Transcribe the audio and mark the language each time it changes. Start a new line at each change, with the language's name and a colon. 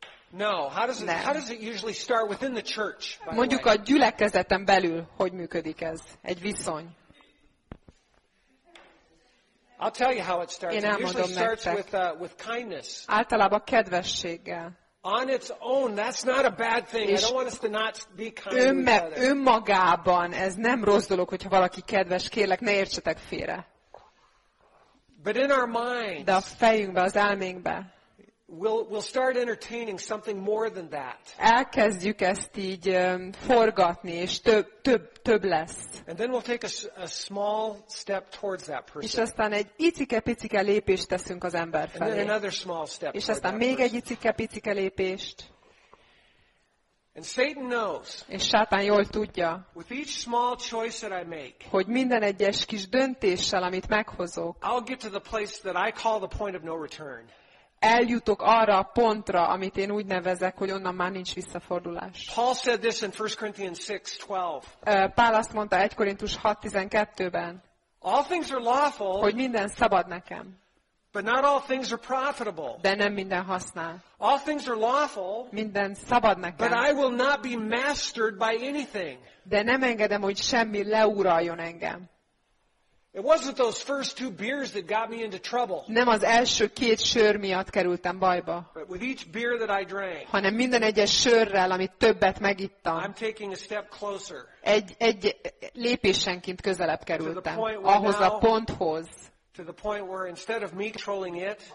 English: No, how does it usually start within the church?
Hungarian: Mondjuk a gyülekezeten belül, hogy működik ez? Egy viszony.
English: I'll tell you how it starts. It usually starts with kindness.
Hungarian: Általában kedvességgel.
English: On its own, that's not a bad thing. I don't want us to not be kind to each other.
Hungarian: Önmagában ez nem rossz dolog, hogyha valaki kedves, kérlek, ne értsetek félre.
English: But in our minds.
Hungarian: De a fejünkbe, az elménkbe.
English: We'll start entertaining something more than that.
Hungarian: Elkezdjük ezt így forgatni, és több lesz.
English: And then we'll take a small step towards that person.
Hungarian: És aztán egy icike-picike lépést teszünk az ember felé.
English: And then another small step.
Hungarian: És aztán még egy icike-picike lépést.
English: And Satan knows.
Hungarian: És Sátán jól tudja.
English: With each small choice that I make.
Hungarian: Hogy minden egyes kis döntéssel, amit meghozok.
English: I'll get to the place that I call the point of no return.
Hungarian: Eljutok arra a pontra, amit én úgy nevezek, hogy onnan már nincs visszafordulás.
English: Paul said this in 1 Corinthians 6:12.
Hungarian: Pál azt mondta 1 Korintus 6:12-ben.
English: All things are lawful,
Hungarian: hogy minden szabad nekem.
English: But not all things are profitable.
Hungarian: De nem minden használ.
English: All things are lawful,
Hungarian: minden szabad nekem.
English: But I will not be mastered by anything.
Hungarian: De nem engedem, hogy semmi leuraljon engem.
English: It wasn't those first two beers that got me into trouble.
Hungarian: Nem az első két sör miatt kerültem bajba.
English: But with each beer that I drank.
Hungarian: Hanem minden egyes sörrel, amit többet megittam.
English: I'm taking a step closer.
Hungarian: Egy lépésenként közelebb kerültem ahhoz a ponthoz.
English: To the point where instead of me controlling it,